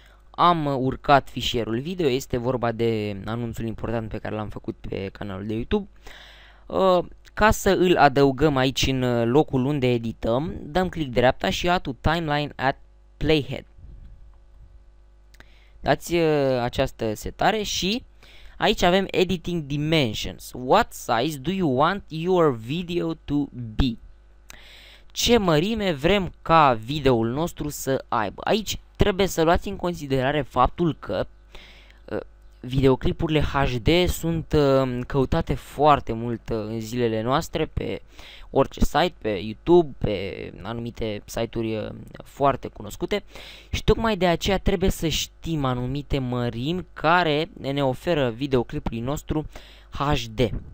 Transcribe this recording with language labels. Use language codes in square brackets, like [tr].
[ro] Am urcat fișierul video, este vorba de anunțul important pe care l-am făcut pe canalul de YouTube. Ca să îl adăugăm aici în locul unde edităm, dăm click dreapta și [en] add to timeline at playhead. [ro] Dați această setare și aici avem editing dimensions. [en] What size do you want your video to be? [ro] Ce mărime vrem ca videoul nostru să aibă? Aici trebuie să luați în considerare faptul că videoclipurile HD sunt căutate foarte mult în zilele noastre pe orice site, pe YouTube, pe anumite site-uri foarte cunoscute, și tocmai de aceea trebuie să știm anumite mărimi care ne oferă videoclipului nostru HD.